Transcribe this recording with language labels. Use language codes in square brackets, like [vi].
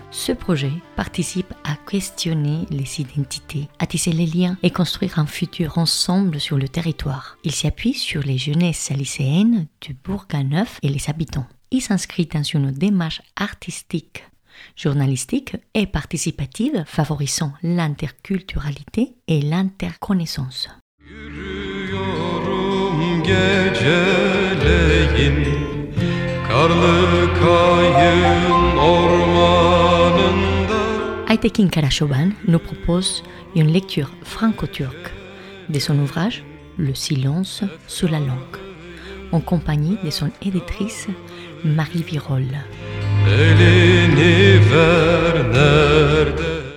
[fr] Ce projet participe à questionner les identités, à tisser les liens et construire un futur ensemble sur le territoire. Il s'appuie sur les jeunesses lycéennes du Bourg-en-Neuf et les habitants. Il s'inscrit dans une démarche artistique, journalistique et participative, favorisant l'interculturalité et l'interconnaissance. [tr] Yürüyorum geceleyin, karlı kayın ormanında. [fr] Aytekin Karachoban nous propose une lecture franco-turque de son ouvrage Le silence sous la langue, en compagnie de son éditrice Marie Virol. [tr] Elini ver nerede?